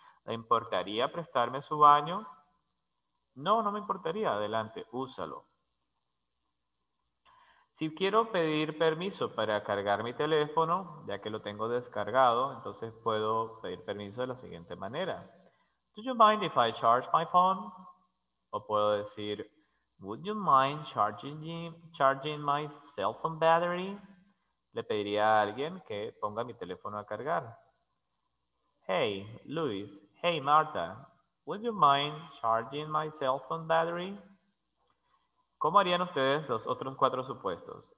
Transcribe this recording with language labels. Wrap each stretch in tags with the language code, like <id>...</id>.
<es>¿Le importaría prestarme su baño? No, no me importaría. Adelante, úsalo. Si quiero pedir permiso para cargar mi teléfono, ya que lo tengo descargado, entonces puedo pedir permiso de la siguiente manera.</es> <en>Do you mind if I charge my phone?</en> <es>O puedo decir,</es> <en>Would you mind charging my cell phone battery?</en> <es>Le pediría a alguien que ponga mi teléfono a cargar.</es> <en>Hey, Luis. Hey, Marta. Would you mind charging my cell phone battery?</en> <es>¿Cómo harían ustedes los otros cuatro supuestos?</es>